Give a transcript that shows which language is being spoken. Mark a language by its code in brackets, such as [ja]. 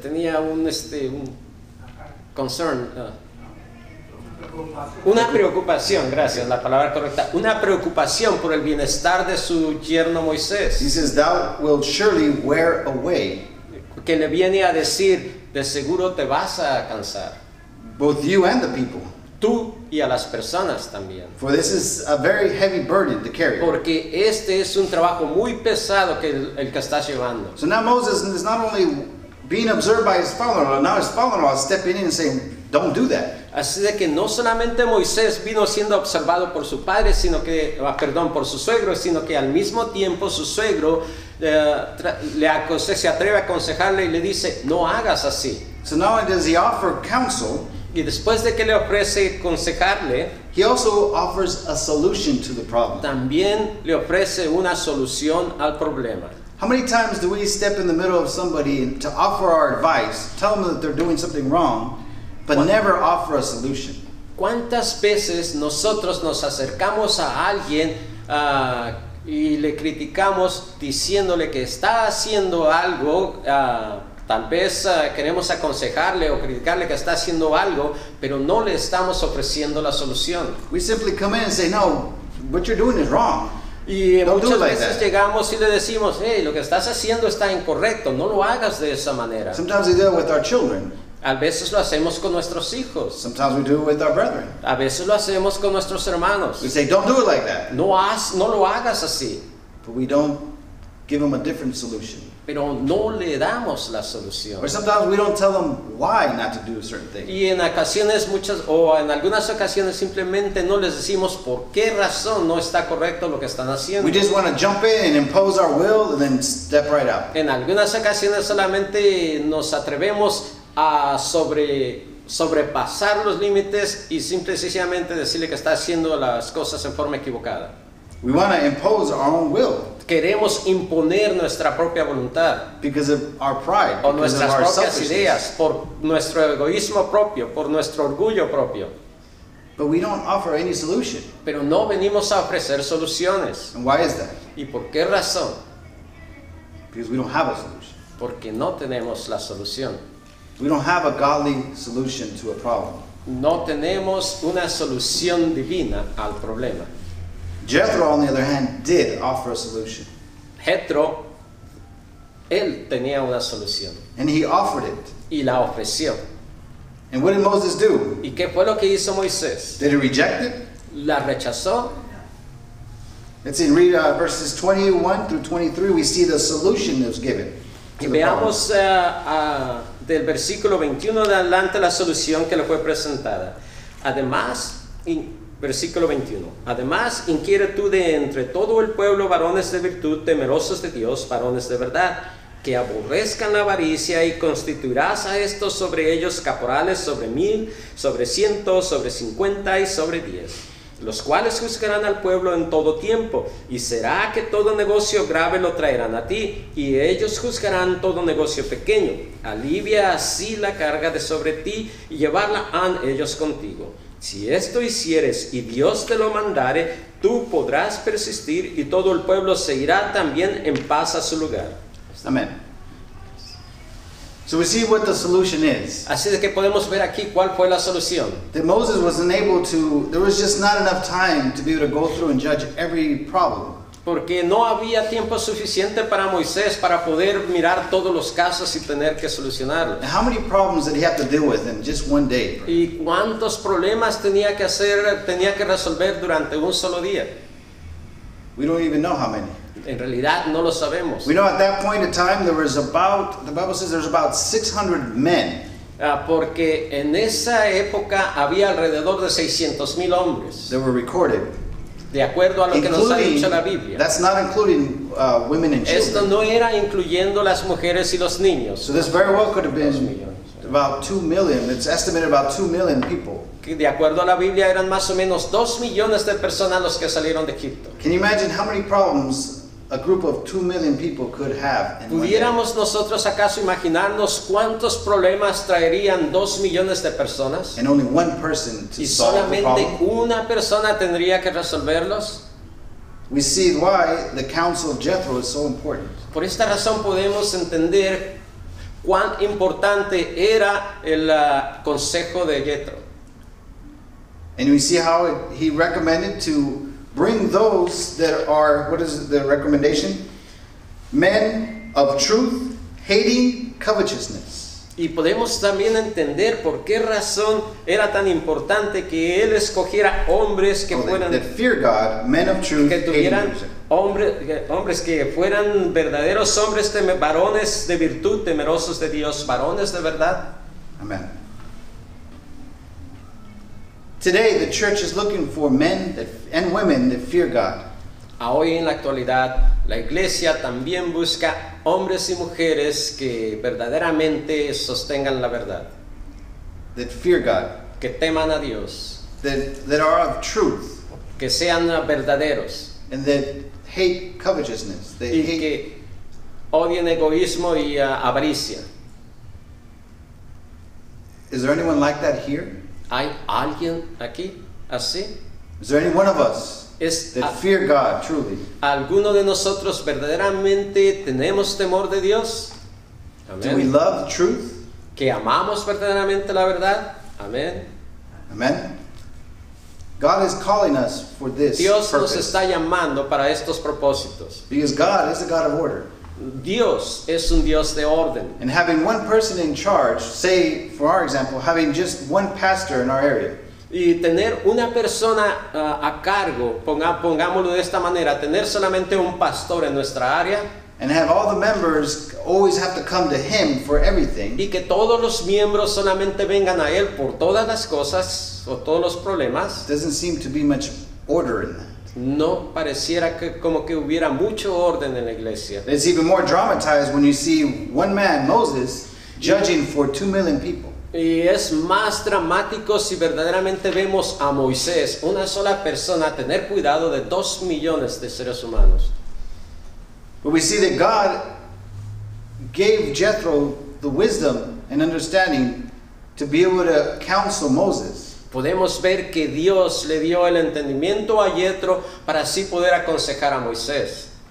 [es] Tenía un concern. Una preocupación, gracias, la palabra correcta. Una preocupación por el bienestar de su yerno Moisés. [en] He says, thou will surely wear away. [es] Que le viene a decir, de seguro te vas a cansar. [en] Both you and the people. [es] Tú y a las personas también. [en] For this is a very heavy burden to carry. [es] Porque este es un trabajo muy pesado que el que estás llevando. [en] So now Moses is not only being observed by his father-in-law, now his father-in-law is stepping in and saying, don't do that. [es] Así de que no solamente Moisés vino siendo observado por su padre, por su suegro, sino que al mismo tiempo su suegro se atreve a aconsejarle y le dice, no hagas así. [en] So now does he offer counsel, [es] y después de que le ofrece aconsejarle, [en] he also offers a solution to the problem. [es] También le ofrece una solución al problema. [en] How many times do we step in the middle of somebody to offer our advice, tell them that they're doing something wrong, but never offer a solution? [es] ¿Cuántas veces nosotros nos acercamos a alguien y le criticamos diciéndole que está haciendo algo, tal vez queremos aconsejarle o criticarle que está haciendo algo, pero no le estamos ofreciendo la solución? [en] We simply come in and say, no, what you're doing is wrong. [es] Y muchas veces llegamos y le decimos, hey, lo que estás haciendo está incorrecto, no lo hagas de esa manera. [en] Sometimes we do it with our children. [es] A veces lo hacemos con nuestros hijos. [en] Sometimes we do it with our brethren. [es] A veces lo hacemos con nuestros hermanos. [en] We say, don't do it like that. [es] No lo hagas así. [en] But we don't give them a different solution. [es] Pero no le damos la solución. [en] Or sometimes we don't tell them why not to do a certain thing. [es] Y en ocasiones muchas, o en algunas ocasiones simplemente no les decimos por qué razón no está correcto lo que están haciendo. [en] We just want to jump in and impose our will and then step right out. [es] En algunas ocasiones solamente nos atrevemos a sobrepasar los límites y simple y sencillamente decirle que está haciendo las cosas en forma equivocada. [en] We want to impose our own will. [es] Queremos imponer nuestra propia voluntad. [en] Because of our pride. [es] O nuestras propias ideas. Por nuestro egoísmo propio. Por nuestro orgullo propio. [en] But we don't offer any solution. [es] Pero no venimos a ofrecer soluciones. [en] And why is that? [es] ¿Y por qué razón? [en] Because we don't have a solution. [es] Porque no tenemos la solución. [en] We don't have a godly solution to a problem. [es] No tenemos una solución divina al problema. [en] Jethro, on the other hand, did offer a solution. [es] Jethro, él tenía una solución. [en] And he offered it. [es] Y la ofreció. [en] And what did Moses do? [es] ¿Y qué fue lo que hizo Moisés? [en] Did he reject it? [es] ¿La rechazó? [en] Let's see, read verses 21 through 23. We see the solution that was given. [es] Y veamos del versículo 21 de adelante la solución que le fue presentada. Además, versículo 21. Además, inquiere tú de entre todo el pueblo varones de virtud, temerosos de Dios, varones de verdad, que aborrezcan la avaricia y constituirás a estos sobre ellos caporales, sobre 1,000, sobre 100, sobre 50 y sobre 10, los cuales juzgarán al pueblo en todo tiempo, y será que todo negocio grave lo traerán a ti, y ellos juzgarán todo negocio pequeño. Alivia así la carga de sobre ti, y llevarla han ellos contigo. Si esto hicieres, y Dios te lo mandare, tú podrás persistir, y todo el pueblo se irá también en paz a su lugar. Amén. [en] So we see what the solution is. [es] Así que podemos ver aquí cuál fue la solución. [en] That Moses was unable to, there was just not enough time to be able to go through and judge every problem. [es] Porque no había tiempo suficiente para Moisés para poder mirar todos los casos y tener que solucionarlos. [en] How many problems did he have to deal with in just one day? [es] ¿Y cuántos problemas tenía que resolver durante un solo día? [en] We don't even know how many. [es] En realidad no lo sabemos. [en] We know at that point of time there was about, the Bible says there's about 600 men. [es] Porque en esa época había alrededor de 600,000 hombres. [en] They were recorded. [es] De acuerdo a lo que nos ha dicho la Biblia. [en] That's not including women and children. [es] Esto no era incluyendo las mujeres y los niños. [en] So this very well could have been about 2 million. It's estimated about 2 million people. [es] Que de acuerdo a la Biblia eran más o menos 2 millones de personas los que salieron de Egipto. [en] Can you imagine how many problems a group of 2 million people could have? [es] ¿Pudiéramos nosotros acaso imaginarnos cuántos problemas traerían 2 millones de personas? [en] And only one person to solve the problem. [es] Y solamente una persona tendría que resolverlos. [en] We see why the counsel of Jethro is so important. [es] Por esta razón podemos entender cuán importante era el consejo de Jethro. [en] And we see how he recommended to bring those that are, what is the recommendation? Men of truth, hating covetousness. [es] Y podemos también entender por qué razón era tan importante que él escogiera hombres que fueran [en] that fear God, men of truth, [es] que tuvieran hombres que fueran verdaderos hombres, varones de virtud, temerosos de Dios, varones de verdad. [en] Amen. Today the church is looking for men and women that fear God. [es] Hoy en la actualidad la iglesia también busca hombres y mujeres que verdaderamente sostengan la verdad. [en] That fear God. [es] Que teman a Dios. [en] That are of truth. [es] Que sean verdaderos. [en] And that hate covetousness. [es] Y que odien egoísmo y avaricia. [en] Is there anyone like that here? [es] ¿Hay alguien aquí así? [en] Is there any one of us that fear God truly? [es] ¿Alguno de nosotros verdaderamente tenemos temor de Dios? [en] Amen. Do we love truth? [es] ¿Que amamos verdaderamente la verdad? [en] Amen. Amen. God is calling us for this [es] Dios [en] purpose. [es] Dios nos está llamando para estos propósitos. [en] Because God is a God of order. [es] Dios es un Dios de orden. [en] And having one person in charge, say, for our example, having just one pastor in our area. [es] Y tener una persona a cargo, pongámoslo de esta manera, tener solamente un pastor en nuestra área. [en] And have all the members always have to come to him for everything. [es] Y que todos los miembros solamente vengan a él por todas las cosas o todos los problemas. [en] Doesn't seem to be much order in that. [es] No pareciera que como que hubiera mucho orden en la iglesia. [en] It's even more dramatized when you see one man, Moses, judging for 2 million people. [es] Y es más dramático si verdaderamente vemos a Moisés, una sola persona, tener cuidado de 2 millones de seres humanos. [en] But we see that God gave Jethro the wisdom and understanding to be able to counsel Moses. [es] Podemos ver que Dios le dio el entendimiento a Jethro para así poder aconsejar a Moisés.